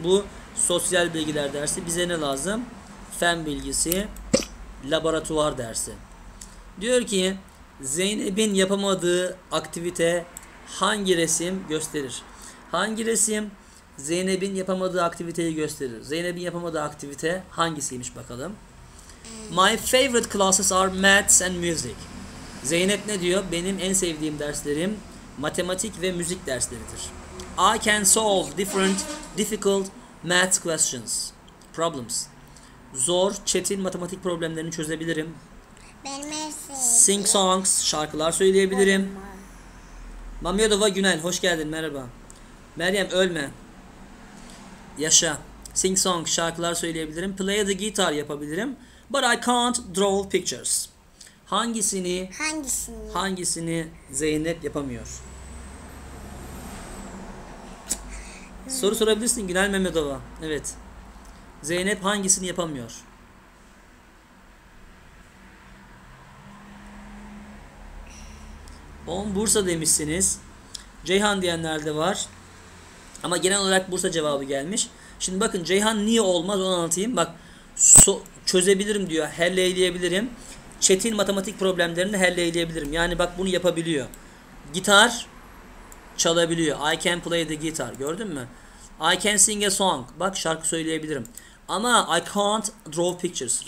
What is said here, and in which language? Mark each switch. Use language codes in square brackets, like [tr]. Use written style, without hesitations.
[tr] Bu sosyal bilgiler dersi. Bize ne lazım? Fen bilgisi, laboratuvar dersi. Diyor ki, Zeynep'in yapamadığı aktivite hangi resim gösterir? Hangi resim Zeynep'in yapamadığı aktiviteyi gösterir? Zeynep'in yapamadığı aktivite hangisiymiş bakalım? [en] My favorite classes are maths and music. [tr] Zeynep ne diyor? Benim en sevdiğim derslerim matematik ve müzik dersleridir. [en] I can solve different difficult math questions, problems. [tr] Zor, çetin matematik problemlerini çözebilirim. [en] Sing songs, [tr] şarkılar söyleyebilirim. Mamyadova Günel, hoş geldin, merhaba. Meryem, ölme. Yaşa. [en] Sing songs, [tr] şarkılar söyleyebilirim. [en] Play the guitar [tr] yapabilirim. [en] But I can't draw pictures. [tr] Hangisini Zeynep yapamıyor? Soru sorabilirsin Günel Mehmetova. Evet. Zeynep hangisini yapamıyor? On Bursa demişsiniz. Ceyhan diyenler de var. Ama genel olarak Bursa cevabı gelmiş. Şimdi bakın Ceyhan niye olmaz onu anlatayım. Bak çözebilirim diyor. Halleyebilirim. Çetin matematik problemlerini halleyebilirim. Yani bak bunu yapabiliyor. Gitar çalabiliyor. [en] I can play the guitar. [tr] Gördün mü? [en] I can sing a song. [tr] Bak şarkı söyleyebilirim. Ama [en] I can't draw pictures.